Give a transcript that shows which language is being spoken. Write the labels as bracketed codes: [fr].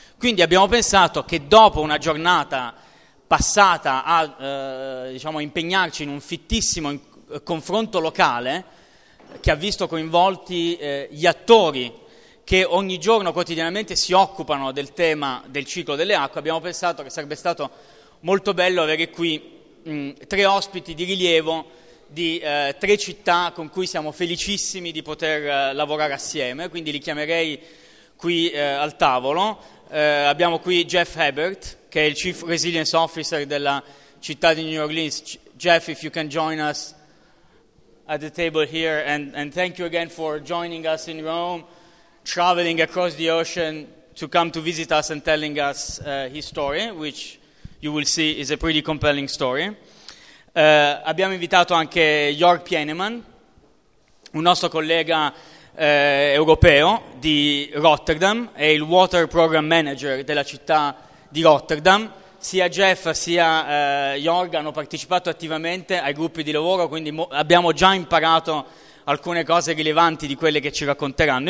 [it] Quindi abbiamo pensato che dopo una giornata passata a diciamo, impegnarci in un fittissimo confronto locale che ha visto coinvolti gli attori che ogni giorno quotidianamente si occupano del tema del ciclo delle acque, abbiamo pensato che sarebbe stato molto bello avere qui tre ospiti di rilievo di tre città con cui siamo felicissimi di poter lavorare assieme. Quindi li chiamerei qui al tavolo. Abbiamo qui Jeff Herbert, che è il Chief Resilience Officer della città di New Orleans. [en] Jeff, if you can join us at the table here, and thank you again for joining us in Rome, traveling across the ocean to come to visit us and telling us his story, which you will see is a pretty compelling story. [it] Abbiamo invitato anche Jörg Pienemann, un nostro collega europeo di Rotterdam, è il Water Program Manager della città di Rotterdam. Sia Jeff sia Jörg hanno partecipato attivamente ai gruppi di lavoro, quindi abbiamo già imparato alcune cose rilevanti di quelle che ci racconteranno.